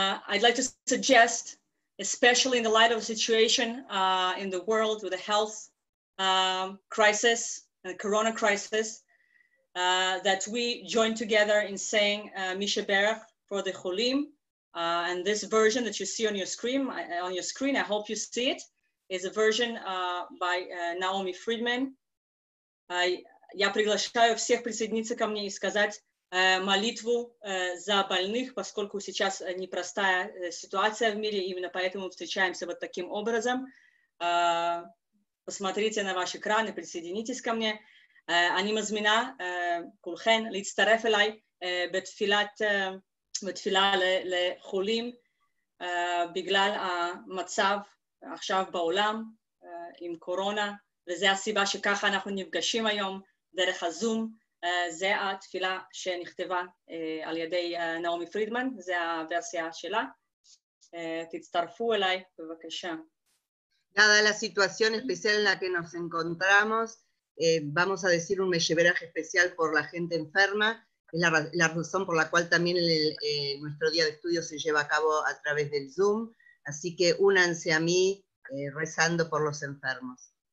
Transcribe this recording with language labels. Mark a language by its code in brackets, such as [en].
[en] I'd like to suggest, especially in the light of the situation in the world with the health crisis, the corona crisis, that we join together in saying Misha Berach for the Cholim. And this version that you see on your screen, I hope you see it, is a version by Naomi Friedman. [ru] Я приглашаю всех присоединиться ко мне и сказать молитву за больных, поскольку сейчас непростая ситуация в мире, именно поэтому встречаемся вот таким образом. Посмотрите на ваш экран и присоединитесь ко мне. [he] Ани мазмина кулхен лицтареф элай бетфила лехулим биглал המצב עכשיו בעולם עם קורונה, וזה הסיבה שככה אנחנו נפגשים היום דרך הזום. זה התפילה שנכתבה על ידי נעמי פרידמן, זה הוורסיה שלה. תצטרפו אליי, בבקשה. [es] Dada la situación especial en la que nos encontramos, vamos a decir un mesheberaj especial por la gente enferma, es la razón por la cual también nuestro día de estudio se lleva a cabo a través del Zoom, así que únanse a mí rezando por los enfermos.